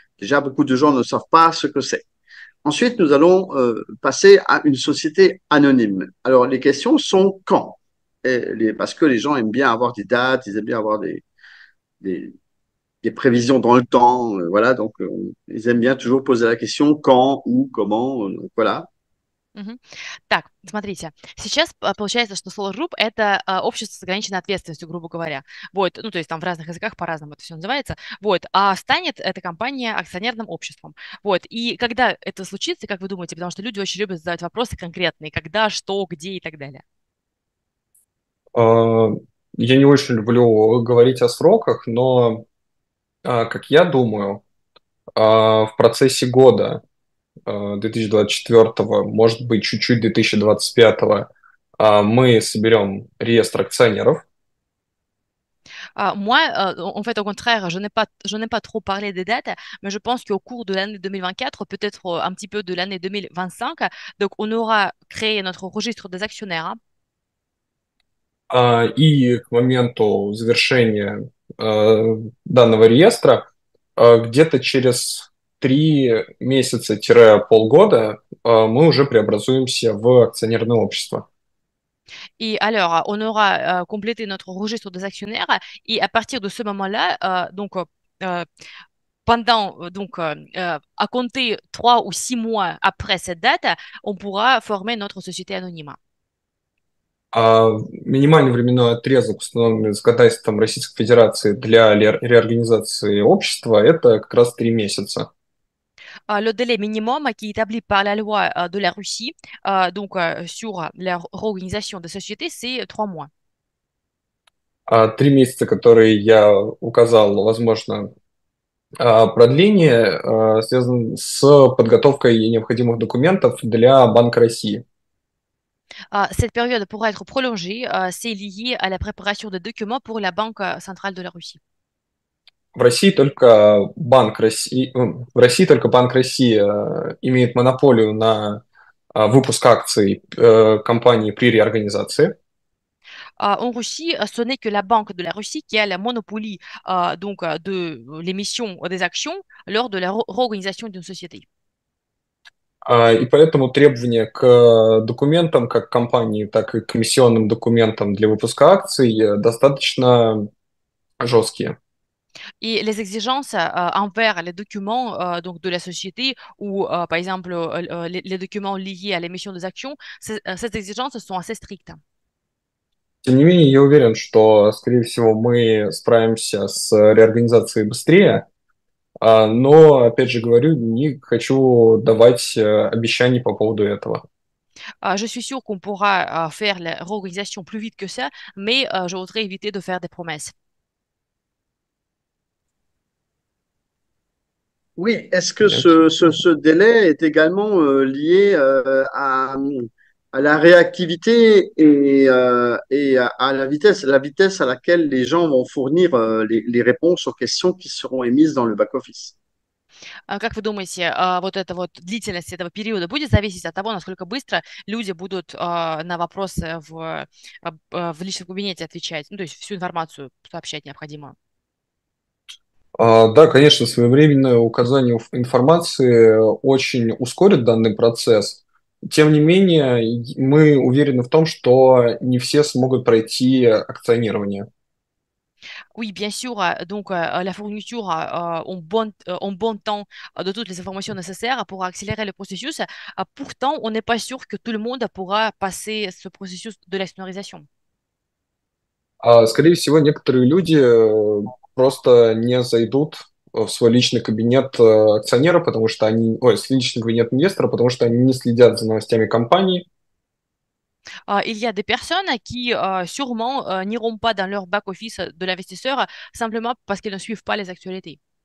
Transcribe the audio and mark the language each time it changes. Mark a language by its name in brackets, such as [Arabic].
[French] Déjà, beaucoup de gens ne savent pas ce que c'est. Ensuite, nous allons passer à une société anonyme. Alors, les questions sont quand? Parce que les gens aiment bien avoir des dates, ils aiment bien avoir des prévisions dans le temps, voilà, donc ils aiment bien toujours poser la question quand, où, comment, donc voilà. [Russian] Так, смотрите, сейчас получается, что Solar Group – это общество с ограниченной ответственностью, грубо говоря. Вот, ну, то есть там в разных языках по-разному это все называется. Вот, а станет эта компания акционерным обществом. Вот, и когда это случится, как вы думаете, потому что люди очень любят задавать вопросы конкретные, когда, что, где и так далее. Я не очень люблю говорить о сроках, но, как я думаю, в процессе года 2024, может быть, чуть-чуть 2025, мы соберем реестр акционеров. [French] Moi, en fait, au contraire, je n'ai pas trop parlé des dates, mais je pense qu'au cours de l'année 2024, peut-être un petit peu de l'année 2025, donc on aura créé notre registre des actionnaires. Hein. [Russian] И к моменту завершения данного реестра где-то через 3 месяца-полгода мы уже преобразуемся в акционерное общество. [French] Et alors, on aura complété notre registre des actionnaires et à partir de ce moment-là, à compter 3 ou 6 mois après cette date, on pourra former notre société anonyme. [Russian] Минимальный временной отрезок, установленный законодательством Российской Федерации для реорганизации общества, это как раз 3 месяца. [French] Le délai minimum qui est établi par la loi de la Russie sur la réorganisation des sociétés, c'est 3 mois. [Russian] 3 месяца, которые я указал, возможно, продление, связано с подготовкой необходимых документов для Банка России. [French] Cette période pourra être prolongée, c'est lié à la préparation des documents pour la Banque centrale de la Russie. [Russian] В России только Банк России имеет монополию на выпуск акций компании при реорганизации. [French] En Russie, ce n'est que la Banque de la Russie qui a la monopolie de l'émission des actions lors de la réorganisation d'une société. [Russian] И поэтому требования к документам, как компании, так и комиссионным документам для выпуска акций, достаточно жесткие. [French] Et les exigences envers les documents de la société ou, par exemple, les documents liés à l'émission des actions, ces exigences sont assez strictes. [Russian] Тем не менее, я уверен, что, скорее всего, мы справимся с реорганизацией быстрее. Но, опять же говорю, не хочу давать обещаний по поводу этого. [French] Je suis sûre qu'on pourra faire la réorganisation plus vite que ça, mais je voudrais éviter de faire des promesses. Oui, est-ce que Merci. ce délai est également lié à la réactivité et à la vitesse à laquelle les gens vont fournir les réponses aux questions qui seront émises dans le back-office? [Russian] Как вы думаете, вот эта вот длительность этого периода будет зависеть от того, насколько быстро люди будут на вопросы в личном кабинете отвечать, ну, то есть всю информацию сообщать необходимую? Да, конечно, своевременное указание информации очень ускорит данный процесс. Тем не менее, мы уверены в том, что не все смогут пройти акционирование. [French] Oui, bien sûr. Donc, la fourniture en bon temps de toutes les informations nécessaires pour accélérer le processus. Pourtant, on n'est pas sûr que tout le monde pourra passer ce processus de l'actionnarisation. [Russian] Скорее всего, некоторые люди просто не зайдут в свой личный кабинет акционера, потому что они, ой, в личный кабинет инвестора, потому что они не следят за новостями компании. [French] Il y a des personnes qui sûrement n'iront pas dans leur back-office de l'investisseur simplement parce qu'elles ne suivent pas les actualités.